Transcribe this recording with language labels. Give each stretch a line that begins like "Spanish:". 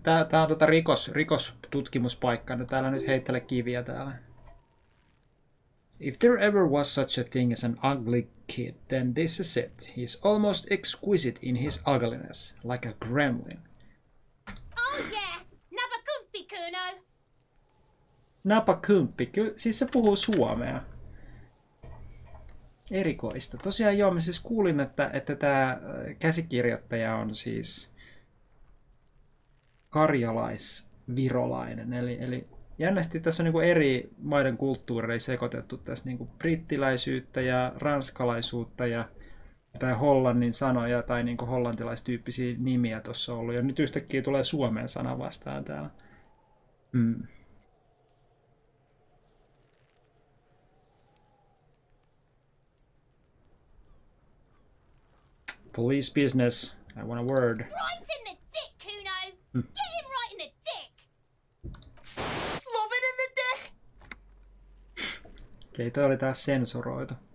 Finnish: Tää on tota rikostutkimuspaikka, niin täällä nyt heittele kiviä täällä.
English: If there ever was such a thing as an ugly kid, then this is it. He's almost exquisite in his ugliness, like a gremlin. Oh yeah! Napakumpi, Kuno!
Finnish: Napakumpi, siis se puhuu suomea. Erikoista. Tosiaan joo, mä siis kuulin, että tää käsikirjoittaja on siis karjalaisvirolainen. Eli jännästi tässä on niinku eri maiden kulttuureja sekoitettu tässä niinku brittiläisyyttä ja ranskalaisuutta ja tai hollannin sanoja tai niinku hollantilaistyyppisiä nimiä tuossa on ollut. Ja nyt yhtäkkiä tulee suomen sana vastaan täällä. Mm.
English: Police business. I want a word. Right in the dick, Kuno! Mm. Get him right in the dick! Love it in the dick!
Finnish: Okei, toi oli taas sensuroitu.